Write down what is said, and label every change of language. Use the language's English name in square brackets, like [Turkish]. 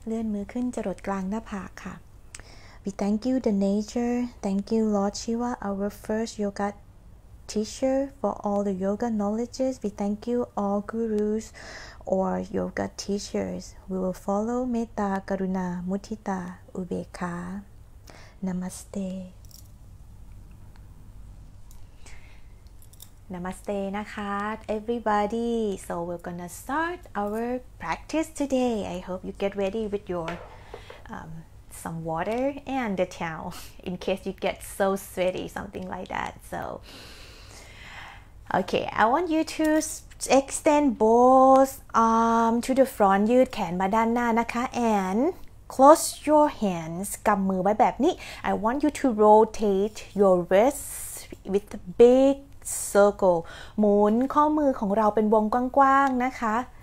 [Thai] เลื่อนมือขึ้นจรดกลางหน้าผากค่ะ [English] We thank you the nature. Thank you Lord Shiva, our first yoga teacher for all the yoga knowledges. We thank you all gurus. Or yoga teachers, we will follow metta, karuna, mudita, ubekha. Namaste. Namaste, nakat, everybody. So we're gonna start our practice today. I hope you get ready with your some water and the towel in case you get so sweaty, something like that. So, okay, I want you to. Extend both arms to the front [Thai] ยืดแขนมาด้านหน้านะคะ [English] and close your hands [Thai] กำมือไว้แบบนี้ [English] I want you to rotate your wrists with a big circle [Thai] หมุนข้อมือของเราเป็นวงกว้างๆนะคะ